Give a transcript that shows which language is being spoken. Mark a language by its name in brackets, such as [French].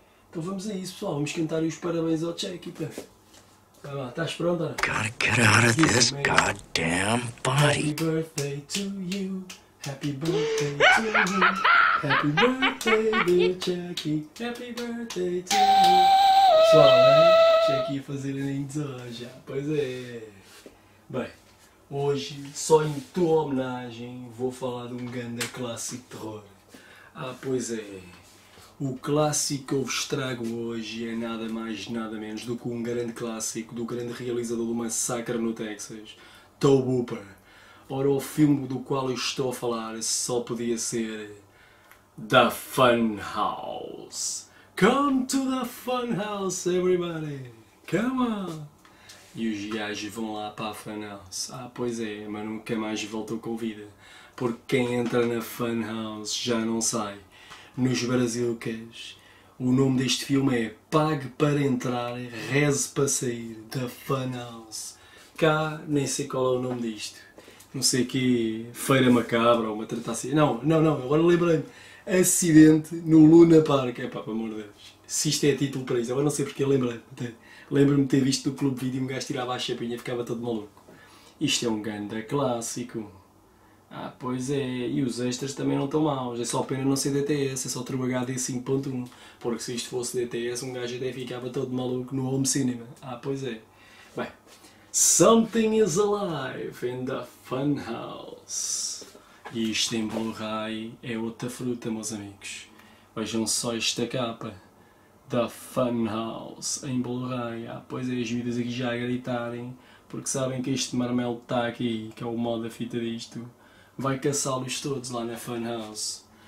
[Portuguese] Então vamos a isso, pessoal. Vamos cantar os parabéns ao Checky, pá. Vai lá, estás pronto, ora? [English] Gotta get out of this goddamn body. Happy birthday to you. Happy birthday to you. Happy birthday, dear Checky. Happy birthday to you. [Portuguese] Pessoal, hein? Checky a fazer aninhos hoje, já. Pois é. Bem, hoje, só em tua homenagem, vou falar de um grande clássico de terror. Ah, pois é. O clássico que eu vos trago hoje é nada mais nada menos do que um grande clássico do grande realizador do Massacre no Texas, Tobe Hooper. Ora, o filme do qual eu estou a falar só podia ser The Fun House. [English] Come to the Fun House, everybody! Come on! [Portuguese] E os gajos vão lá para a Fun House. Ah, pois é, mas nunca mais voltou com vida. Porque quem entra na Fun House já não sai. Nos brazilques, o nome deste filme é Pague para Entrar, Reze para Sair, The Fun House. Cá, nem sei qual é o nome disto. Não sei que Feira Macabra ou uma treta assim. Não, não, não, agora lembrei-me. Acidente no Luna Park. É pá, pelo amor de Deus. Se isto é título para isso, agora não sei porque lembrei-me. Lembro-me de ter visto do Clube Vídeo e um gajo tirava a chapinha e ficava todo maluco. Isto é um ganda clássico. Ah, pois é, e os extras também não estão maus, é só pena não ser DTS, é só ter o HD 5.1, porque se isto fosse DTS, um gajo até ficava todo maluco no home cinema. Ah, pois é. Bem, [English] Something is Alive in the Fun House. [Portuguese] E isto em Blu-ray é outra fruta, meus amigos. Vejam só esta capa, The Fun House em Blu-ray. Ah, pois é, as vidas aqui já a gritarem, porque sabem que este marmelo que está aqui, que é o modo da fita disto, vai caçá-los todos lá na Fun House.